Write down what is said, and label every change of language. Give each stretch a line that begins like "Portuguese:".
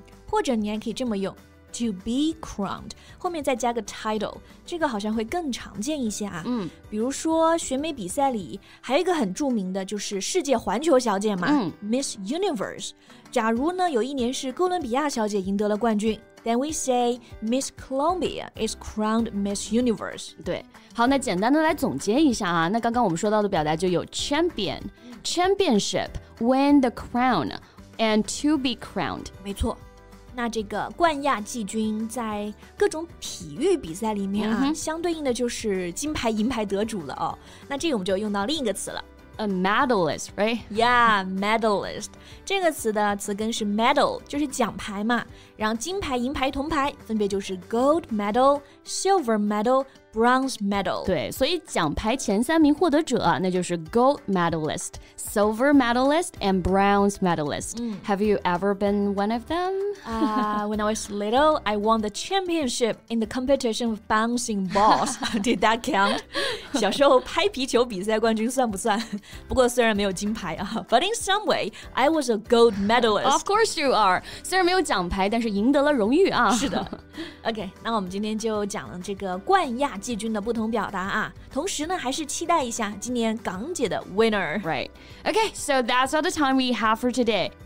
Chinese: 或者你还可以这么用 to be crowned, 后面再加个 title, 这个好像会更常见一些啊。比如说选美比赛里，还有一个很著名的就是世界环球小姐嘛， Miss Universe. 假如呢，有一年是哥伦比亚小姐赢得了冠军。
English: Then we say Miss Colombia is crowned Miss Universe.
Chinese: 对，好，那简单的来总结一下啊。那刚刚我们说到的表达就有 champion, championship, win the crown, and to be crowned. 没错，那这个冠亚季军在各种体育比赛里面啊，相对应的就是金牌、银牌得主了哦。那这个我们就用到另一个词了。
English: A medalist, right? Yeah, medalist.
Chinese: 这个词的词根是 medal, 就是奖牌嘛。然后金牌、银牌、铜牌分别就是 gold medal, silver medal, bronze medal. 对，所以奖牌前三名获得者那就是 gold medalist, silver medalist, and bronze medalist.
English: Have you ever been one of them? When I was little, I won the championship in the competition of bouncing balls. Did that count?
Chinese: 小时候拍皮球比赛冠军算不算？不过虽然没有金牌啊
English: ，But in some way, I was a gold medalist. Of course you are.
Chinese: 虽然没有奖牌，但是赢得了荣誉啊。是的。 OK, 那我们今天就讲了这个冠亚季军的不同表达啊。同时呢，还是期待一下今年港姐的 winner.
English: Right. OK, so that's all the time we have for today.